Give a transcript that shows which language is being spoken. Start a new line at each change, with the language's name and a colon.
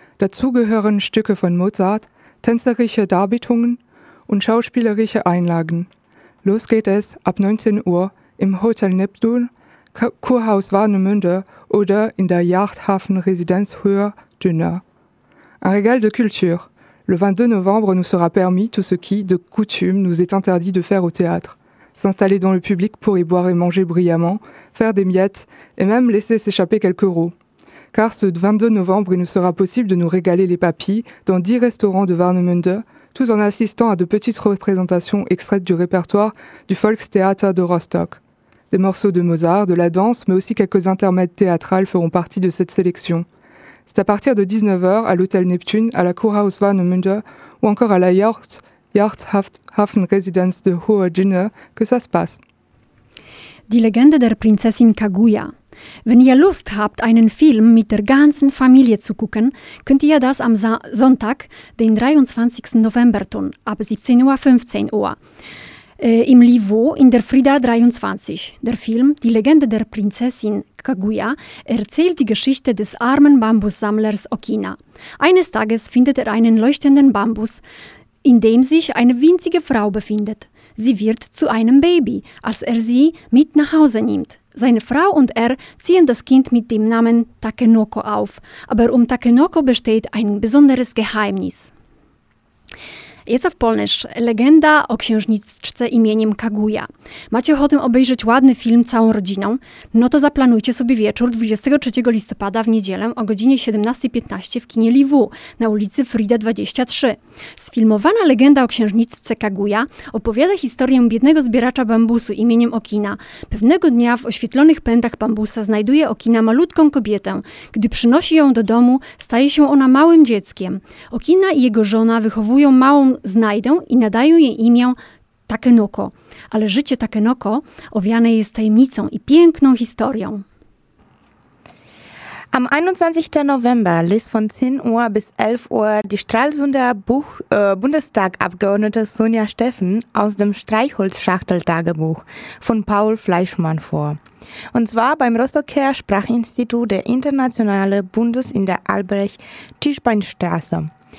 German: Dazu gehören Stücke von Mozart, tänzerische Darbietungen und schauspielerische Einlagen. Los geht es ab 19 Uhr im Hotel Neptun, Kurhaus Warnemünde oder in der Yachthafenresidenz Höhe Dünner.
French: Un régal de culture. Le 22 novembre nous sera permis tout ce qui, de coutume, nous est interdit de faire au théâtre. S'installer dans le public pour y boire et manger brillamment, faire des miettes et même laisser s'échapper quelques roues. Car ce 22 novembre, il nous sera possible de nous régaler les papilles dans 10 restaurants de Warnemünde, tout en assistant à de petites représentations extraites du répertoire du Volkstheater de Rostock. Des morceaux de Mozart, de la danse, mais aussi quelques intermèdes théâtrales feront partie de cette sélection. C'est à partir de 19h à l'hôtel Neptune, à la Kurhaus Warnemünde ou encore à la Yachthafenresidenz de Hohe Dünne que ça se passe.
German: Die Legende der Prinzessin Kaguya. Wenn ihr Lust habt, einen Film mit der ganzen Familie zu gucken, könnt ihr das am Sonntag, den 23. November tun, ab 17.15 Uhr. Im Livo in der Frida 23. Der Film Die Legende der Prinzessin Kaguya erzählt die Geschichte des armen Bambussammlers Okina. Eines Tages findet er einen leuchtenden Bambus, in dem sich eine winzige Frau befindet. Sie wird zu einem Baby, als er sie mit nach Hause nimmt. Seine Frau und er ziehen das Kind mit dem Namen Takenoko auf. Aber um Takenoko besteht ein besonderes Geheimnis. Jetzt auf Polnisch.
Polish: Legenda o księżniczce imieniem Kaguya. Macie ochotę obejrzeć ładny film całą rodziną? No to zaplanujcie sobie wieczór 23 listopada w niedzielę o godzinie 17.15 w kinie Liwu na ulicy Frida 23. Sfilmowana legenda o księżniczce Kaguya opowiada historię biednego zbieracza bambusu imieniem Okina. Pewnego dnia w oświetlonych pętach bambusa znajduje Okina malutką kobietę. Gdy przynosi ją do domu, staje się ona małym dzieckiem. Okina i jego żona wychowują małą znajdę i nadają jej imię Takenoko. Ale życie Takenoko owiane jest tajemnicą i piękną historią.
German: Am 21. November liest von 10 Uhr bis 11 Uhr die Stralsunder Bundestagabgeordnete Sonja Steffen aus dem Streichholz-Schachtel-Tagebuch von Paul Fleischmann vor. Und zwar beim Rostocker Sprachinstitut der Internationale Bundes in der Albrecht-Tischbein-Straße.